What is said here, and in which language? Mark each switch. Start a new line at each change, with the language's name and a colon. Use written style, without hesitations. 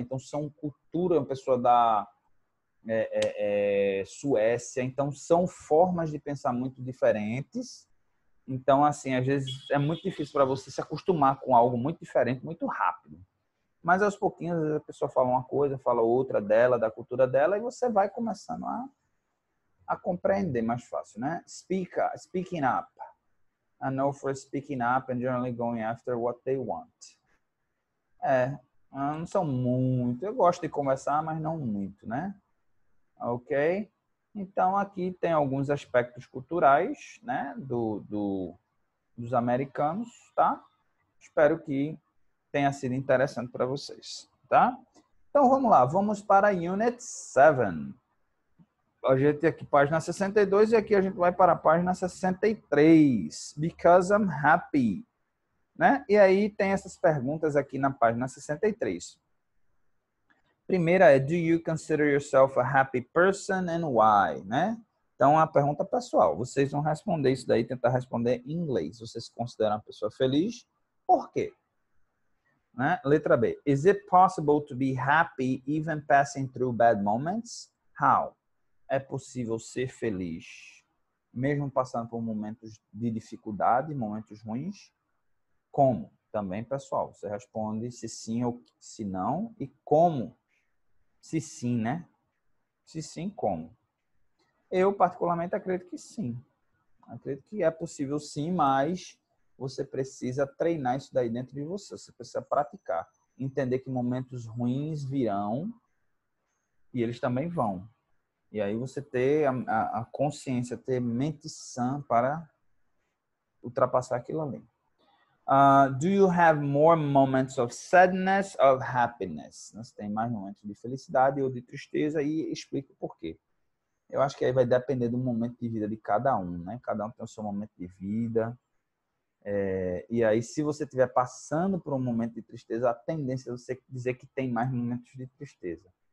Portuguese: Então são cultura, uma pessoa da... Suécia, então são formas de pensar muito diferentes. Então, assim, às vezes é muito difícil para você se acostumar com algo muito diferente, muito rápido. Mas aos pouquinhos, a pessoa fala uma coisa, fala outra dela, da cultura dela, e você vai começando a compreender mais fácil, né?
English: Speaking up. I know for speaking up and generally going after what they want.
Portuguese: Não são muito. Eu gosto de conversar, mas não muito, né? Ok? Então, aqui tem alguns aspectos culturais, né, dos americanos, tá? Espero que tenha sido interessante para vocês, tá? Então, vamos lá. Vamos para Unit 7. A gente aqui, página 62, e aqui a gente vai para a página 63.
English: Because I'm happy.
Portuguese: Né? E aí, tem essas perguntas aqui na página 63. Primeira é,
English: do you consider yourself a happy person and why?
Portuguese: Né? Então, a pergunta pessoal. Vocês vão responder isso daí, tentar responder em inglês. Você se considera uma pessoa feliz? Por quê? Né? Letra B.
English: Is it possible to be happy even passing through bad moments? How?
Portuguese: É possível ser feliz mesmo passando por momentos de dificuldade, momentos ruins? Como? Também, pessoal, você responde se sim ou se não. E como? Se sim, né? Se sim, como? Eu, particularmente, acredito que sim. Acredito que é possível sim, mas você precisa treinar isso daí dentro de você. Você precisa praticar. Entender que momentos ruins virão e eles também vão. E aí você ter a consciência, ter mente sã para ultrapassar aquilo ali.
English: Do you have more moments of sadness or happiness?
Portuguese: Você tem mais momentos de felicidade ou de tristeza? E explico por quê. Eu acho que aí vai depender do momento de vida de cada um, né? Cada um tem o seu momento de vida. E aí, se você estiver passando por um momento de tristeza, a tendência é você dizer que tem mais momentos de tristeza.